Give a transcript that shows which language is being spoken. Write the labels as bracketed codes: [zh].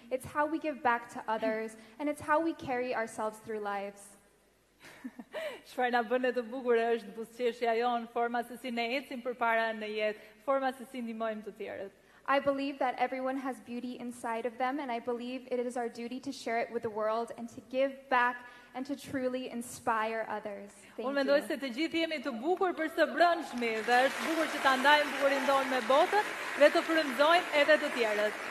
[en] It's how we give back to others and it's how we carry ourselves through lives. [sq] Çfarë na bën të bukur është buzëqeshja jonë, forma se si ne ecim përpara në jetë, forma se si ndihmojmë të tjerët. [en] I believe that everyone has beauty inside of them and I believe it is our duty to share it with the world and to give back and to truly inspire others. [sq] Unë mendoj se të gjithë jemi të bukur për së brëndshmi dhe është bukur që ta ndajmë bukurinë tonë me botën dhe të frymëzojmë edhe të tjerët.